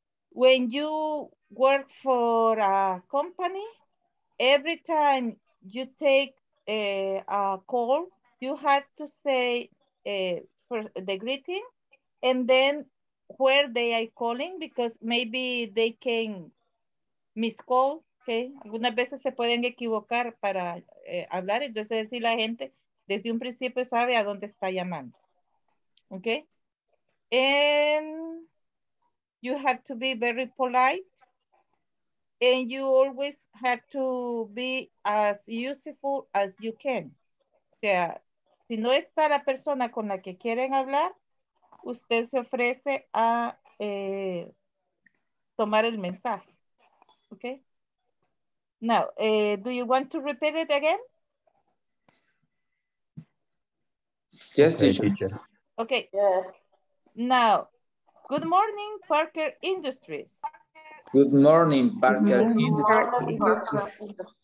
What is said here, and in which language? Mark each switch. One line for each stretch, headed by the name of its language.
English: When you work for a company, every time you take a call, you have to say for the greeting and then where they are calling, because maybe they can miscall, okay?
Spanish: Algunas veces se pueden equivocar para hablar, entonces decir la gente, desde un principio sabe a dónde está llamando. ¿Ok?
English: And you have to be very polite. And you always have to be as useful as you can.
Spanish: O sea, si no está la persona con la que quieren hablar, usted se ofrece a tomar el mensaje. ¿Ok?
English: Now, do you want to repeat it again? Yes, teacher. Okay. Yes. Now, good morning, Parker Industries. Good morning, Parker Industries.